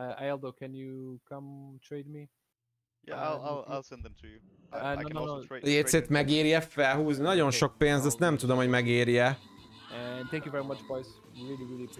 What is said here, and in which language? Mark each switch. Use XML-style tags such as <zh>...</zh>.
<en>Aldo, can you come trade me? Yeah, I'll send them to you. I can also trade.</en> <hu>Jézset, megéri-e felhúzni? Nagyon sok pénz, ezt nem tudom, hogy megéri-e.</hu> <en>And thank you very much, boys. Really, really appreciate.</en>